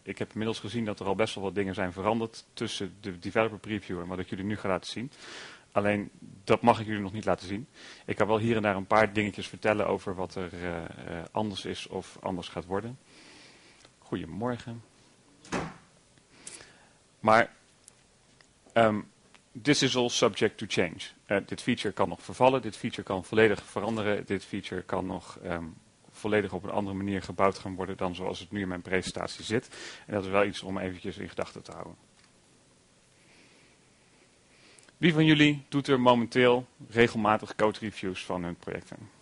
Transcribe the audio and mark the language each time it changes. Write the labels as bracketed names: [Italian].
[Dutch] Ik heb inmiddels gezien dat er al best wel wat dingen zijn veranderd tussen de developer preview en wat ik jullie nu ga laten zien. Alleen, dat mag ik jullie nog niet laten zien. Ik kan wel hier en daar een paar dingetjes vertellen over wat er anders is of anders gaat worden. Goedemorgen. [English] Maar, this is all subject to change. [Dutch] Dit feature kan nog vervallen, dit feature kan volledig veranderen, dit feature kan nog volledig op een andere manier gebouwd gaan worden dan zoals het nu in mijn presentatie zit. En dat is wel iets om eventjes in gedachten te houden. Wie van jullie doet er momenteel regelmatig code reviews van hun projecten?